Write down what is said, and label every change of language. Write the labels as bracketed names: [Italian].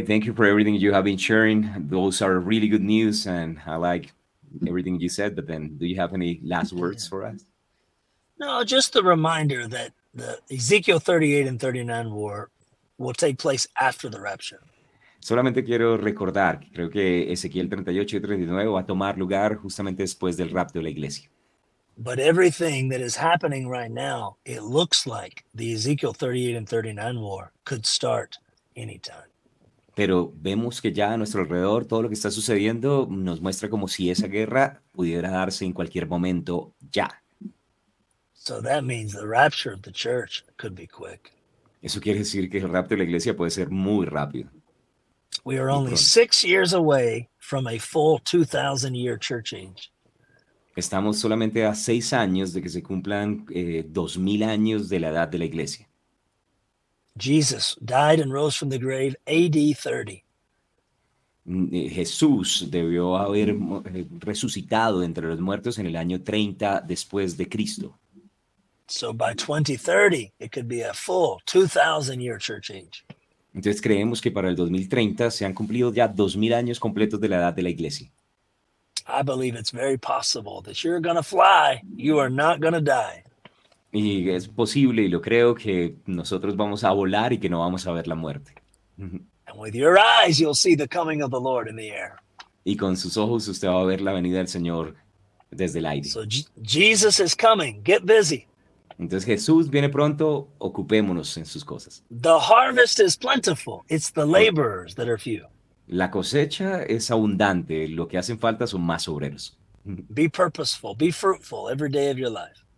[English] Thank you for everything you have been sharing. Those are really good news, and I like everything you said, but then do you have any last words for us? No, just the reminder that the Ezekiel 38 and 39 war will take place after the rapture. [Spanish] Solamente quiero recordar, creo que Ezequiel 38 y 39 va a tomar lugar justamente después del rapto de la iglesia. [English] But everything that is happening right now, it looks like the Ezekiel 38 and 39 war could start anytime. [Spanish] Pero vemos que ya a nuestro alrededor todo lo que está sucediendo nos muestra como si esa guerra pudiera darse en cualquier momento ya. [English] So that means the rapture of the church could be quick. [Spanish] Eso quiere decir que el rapto de la iglesia puede ser muy rápido. [English] We are only 6 years away from a full 2,000-year church age. [Spanish] Estamos solamente a 6 años de que se cumplan 2,000 años de la edad de la iglesia. [English] Jesus died and rose from the grave AD 30. [Spanish] Jesús debió haber resucitado entre los muertos en el año 30 después de Cristo. [English] So by 2030, it could be a full 2,000-year church age. [Spanish] Entonces creemos que para el 2030 se han cumplido ya 2,000 años completos de la edad de la iglesia. [English] I believe it's very possible that you're going to fly, you are not going to die. [Spanish] Y es posible y lo creo que nosotros vamos a volar y que no vamos a ver la muerte. [English] And with your eyes, you'll see the coming of the Lord in the air. [Spanish] Y con sus ojos usted va a ver la venida del Señor desde el aire. [English] So Jesus is coming, get busy. [Spanish] Entonces Jesús viene pronto, ocupémonos en sus cosas. [English] The harvest is plentiful, it's the laborers that are few. [Spanish] La cosecha es abundante, lo que hacen falta son más obreros. [English] Be purposeful, be fruitful every day of your life.